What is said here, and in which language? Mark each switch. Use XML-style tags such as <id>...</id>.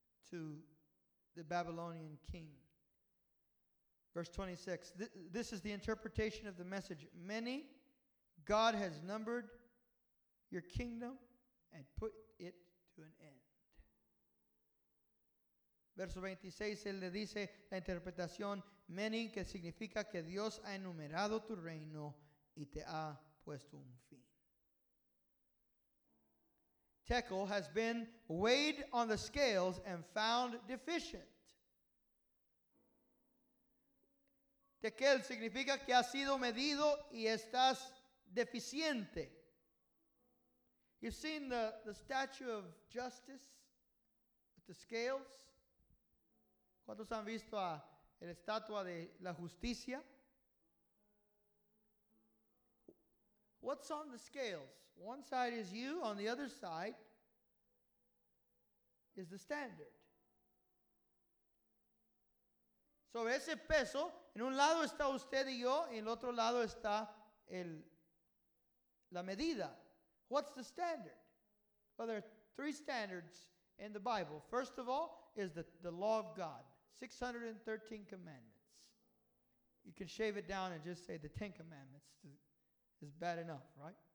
<en>to the Babylonian king. Verse 26, this is the interpretation of the message. Many, God has numbered your kingdom and put it to an end.</en> <es>Verso 26, él le dice la interpretación, many, que significa que Dios ha enumerado tu reino y te ha puesto un fin.</es> <en>Tekel has been weighed on the scales and found deficient.</en> <es>Tekel significa que has sido medido y estás deficiente.</es> <en>You've seen the statue of justice with the scales?</en> <es>¿Cuántos han visto a la estatua de la justicia?</es> <en>What's on the scales? One side is you, on the other side is the standard.</en> <es>So ese peso, en un lado está usted y yo, y en el otro lado está la medida.</es> <en>What's the standard? Well, there are three standards in the Bible. First of all is the law of God, 613 commandments. You can shave it down and just say the Ten Commandments. Is bad enough, right?</en>